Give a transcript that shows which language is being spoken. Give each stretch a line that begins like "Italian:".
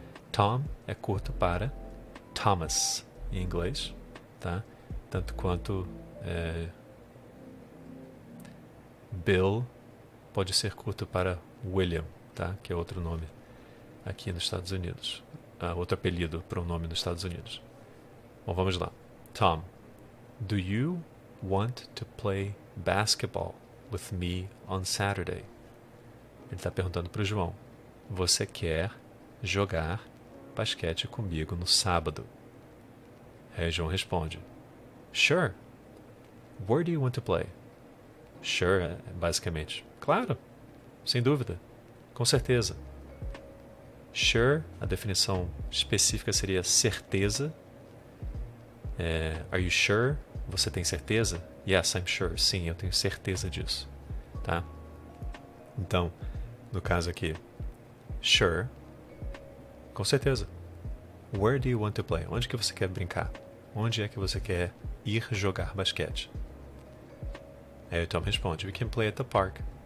Portuguese: Tom é curto para Thomas em inglês, tá? Tanto quanto Bill pode ser curto para William, tá? Que é outro nome aqui nos Estados Unidos. Outro apelido para um nome nos Estados Unidos. Bom, vamos lá.
English: Tom, do you want to play basketball with me on Saturday?
Portuguese: Ele está perguntando para o João. Você quer jogar basquete comigo no sábado? Aí João responde:
English: Sure. Where do you want to play?
Portuguese: Sure, basicamente. Claro, sem dúvida, com certeza. Sure, a definição específica seria certeza.
English: Are you sure?
Portuguese: Você tem certeza?
English: Yes, I'm sure.
Portuguese: Sim, eu tenho certeza disso. Tá? Então, no caso aqui, sure, com certeza.
English: Where do you want to play?
Portuguese: Onde que você quer brincar? Onde é que você quer ir jogar basquete? Aí o Tom responde:
English: We can play at the park.